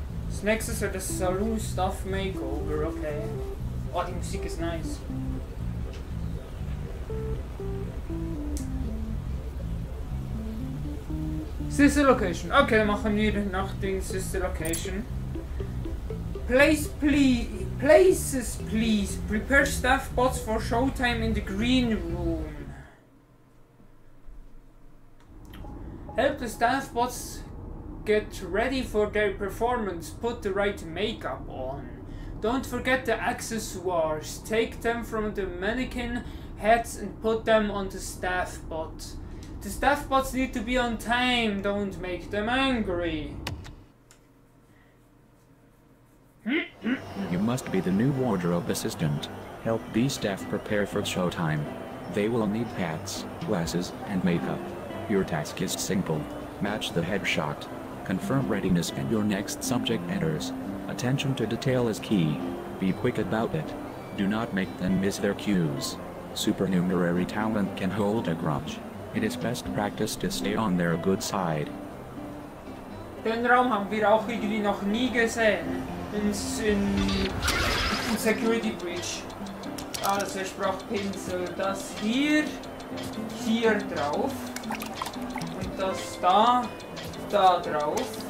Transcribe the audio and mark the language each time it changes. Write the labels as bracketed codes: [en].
[de] Das nächste ist das Saloon Stuff Makeover, okay. Oh, die Musik ist nice. Sister Location. Okay, dann machen wir noch den Sister Location. [en] Places, please. Prepare staff bots for showtime in the green room. Help the staff bots get ready for their performance. Put the right makeup on. Don't forget the accessoires. Take them from the mannequin heads and put them on the staff bot. The staff bots need to be on time. Don't make them angry. You must be the new wardrobe assistant. Help these staff prepare for showtime. They will need hats, glasses, and makeup. Your task is simple. Match the headshot. Confirm readiness and your next subject enters. Attention to detail is key. Be quick about it. Do not make them miss their cues. Supernumerary talent can hold a grudge. It is best practice to stay on their good side. [de] Den Raum haben wir auch irgendwie noch nie gesehen. In Security Breach. Also ich brauche Pinsel. Das hier, hier drauf. Und das da, da drauf.